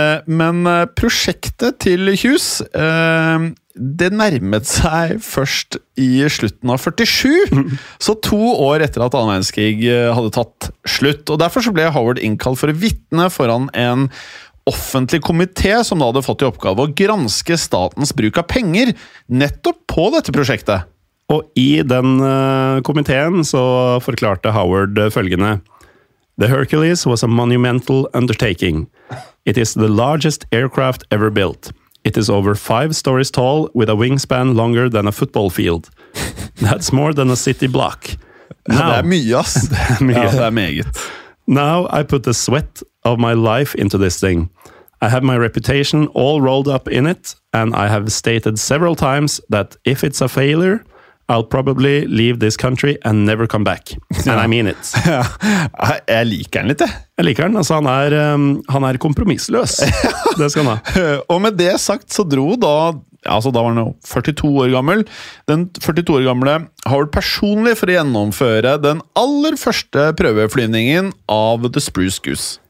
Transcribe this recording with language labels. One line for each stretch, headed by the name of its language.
Norwegian: Men prosjektet til Hughes, det nærmet seg først i slutten av 47, så 2 år etter at 2. verdenskrig hadde tatt slutt. Og derfor så ble Howard innkalt for å vitne foran en offentlig komité som da hadde fått i oppgave å granske statens bruk av penger nettopp på dette prosjektet. Og i den komiteen så forklarte Howard følgende.
English: The Hercules was a monumental undertaking. It is the largest aircraft ever built. It is over 5 stories tall with a wingspan longer than a football field. That's more than a city block.
Norwegian: Now, det er mye, ass. Det er mye. Ja, det er meget.
English: Now I put the sweat of my life into this thing. I have my reputation all rolled up in it, and I have stated several times that if it's a failure, I'll probably leave this country and never come back. And
Norwegian: ja.
English: I mean it.
Norwegian: Ja. Jeg liker han litt, jeg. Jeg liker han. Altså, han er kompromissløs. Det skal han ha. Og med det sagt så dro da, altså da var han jo 42 år gammel, den 42 år gamle Howard personlig for å gjennomføre den aller første prøveflyvningen av The Spruce Goose.